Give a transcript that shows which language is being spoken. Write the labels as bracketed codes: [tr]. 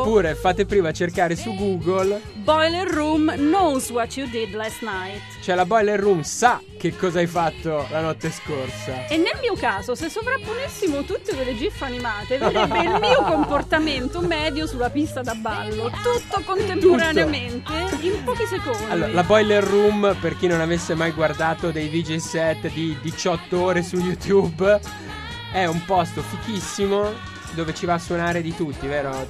[it] oppure fate prima cercare su Google [en] Boiler Room knows what you did last night, [it] cioè la Boiler Room sa che cosa hai fatto la notte scorsa. E nel mio caso, se sovrapponessimo tutte delle gif animate, verrebbe il mio comportamento medio sulla pista da ballo, tutto contemporaneamente, tutto. In pochi secondi. Allora, la Boiler Room, per chi non avesse mai guardato dei VJ set di 18 ore su YouTube, è un posto fichissimo dove ci va a suonare di tutti, vero?